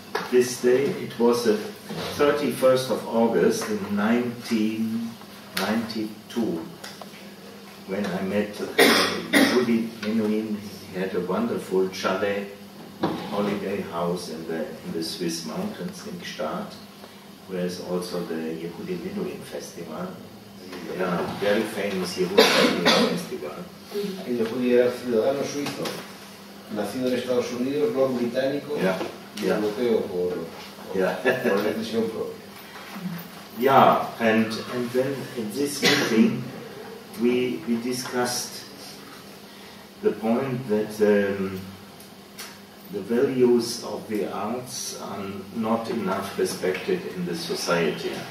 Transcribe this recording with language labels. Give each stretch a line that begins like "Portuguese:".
English: This day, it was the 31st of August in 1992, when I met Yehudi-Menuhin. He had a wonderful chalet, holiday house in the Swiss mountains in Gstaad, where is also the Yehudi-Menuhin Festival. Yeah, very famous Yehudi-Menuhin Festival.
Spanish: El Yehudi era ciudadano suizo, nacido en Estados Unidos, no británico,
English: yeah,
Spanish: y europeo por decisión propia.
English: Yeah, and then in this meeting we discussed the point that the values of the arts are not enough respected in the society.